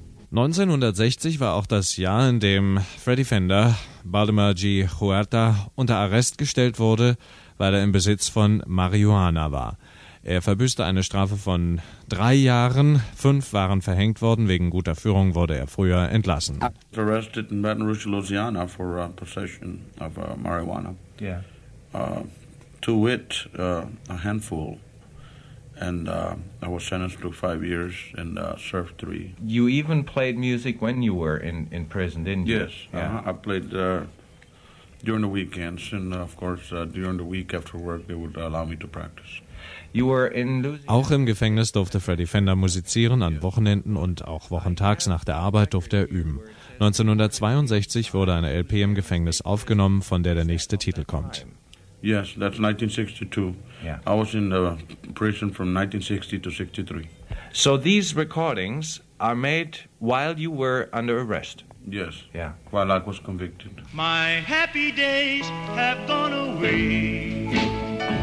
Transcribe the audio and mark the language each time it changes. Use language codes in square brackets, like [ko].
[de] 1960 war auch das Jahr, in dem Freddy Fender, Baldomar G. Huerta, unter Arrest gestellt wurde, weil er im Besitz von Marihuana war. Er verbüßte eine Strafe von 3 Jahren. 5 waren verhängt worden. Wegen guter Führung wurde er früher entlassen. [en] I was arrested in Baton Rouge, Louisiana for possession of marijuana. Yeah. To wit, a handful. And I was sentenced to 5 years and served 3. You even played music when you were in prison, didn't you? Yes. Yeah. I played during the weekends. And of course, during the week after work, they would allow me to practice. You were in Louisiana. [de] Auch im Gefängnis durfte Freddy Fender musizieren, an Wochenenden und auch wochentags nach der Arbeit durfte er üben. 1962 wurde eine LP im Gefängnis aufgenommen, von der nächste Titel kommt. [en] Yes, that's 1962. Yeah. I was in the prison from 1960 to 63. So these recordings are made while you were under arrest. Yes. Yeah. While I was convicted. My happy days have gone away.